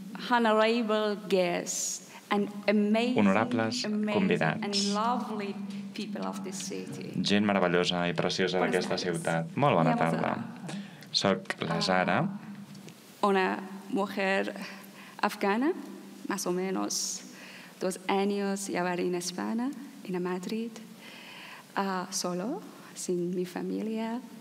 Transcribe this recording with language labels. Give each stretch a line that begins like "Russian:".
English: Honorable guests and amazing,
Catalan: honorables convidats.
English: And lovely people of this city.
Catalan: Gent meravellosa i preciosa d'aquesta ciutat. Molt bona tarda. Soc la Zara.
Spanish: Una mujer afgana, más o menos 2 años llevar en España, en Madrid, solo, sin mi familia.